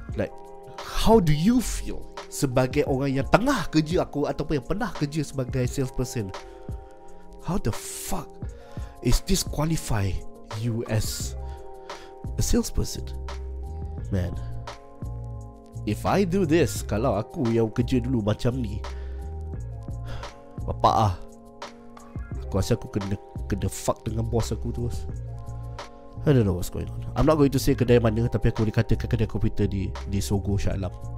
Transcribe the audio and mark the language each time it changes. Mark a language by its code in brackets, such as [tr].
[en] Like, how do you feel [ms] sebagai orang yang tengah kerja aku ataupun yang pernah kerja sebagai salesperson? [en] How the fuck is this qualify you as a salesperson? Man, if I do this, [ms] kalau aku yang kerja dulu macam ni, bapak ah, aku rasa aku kena fuck dengan bos aku terus. [en] I don't know what's going on. I'm not going to say [ms] kedai mana, tapi aku boleh katakan kedai komputer di Sogo, Shah Alam.